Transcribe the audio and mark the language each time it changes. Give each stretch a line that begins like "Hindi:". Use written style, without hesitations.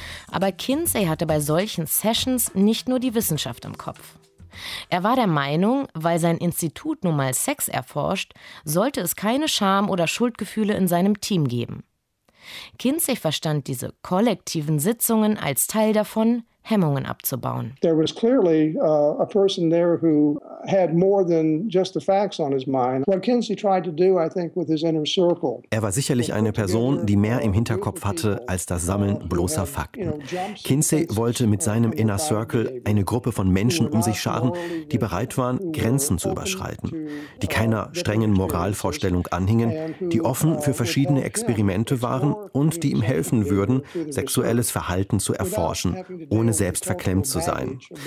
German: Aber Kinsey hatte bei solchen Sessions nicht nur die Wissenschaft im Kopf. Er war der Meinung, weil sein Institut nun mal Sex erforscht, sollte es keine Scham oder Schuldgefühle in seinem Team geben. Kinsey verstand diese kollektiven Sitzungen als Teil davon, Hemmungen abzubauen.
English: There was clearly a person there who had more than just the facts on his mind. What Kinsey tried to do, I think, with his inner circle.
German: Er war sicherlich eine Person, die mehr im Hinterkopf hatte als das Sammeln bloßer Fakten. Kinsey wollte mit seinem Inner Circle eine Gruppe von Menschen um sich scharen, die bereit waren, Grenzen zu überschreiten, die keiner strengen Moralvorstellung anhingen, die offen für verschiedene Experimente waren und die ihm helfen würden, sexuelles Verhalten zu erforschen, ohne selbst verklemmt zu sein.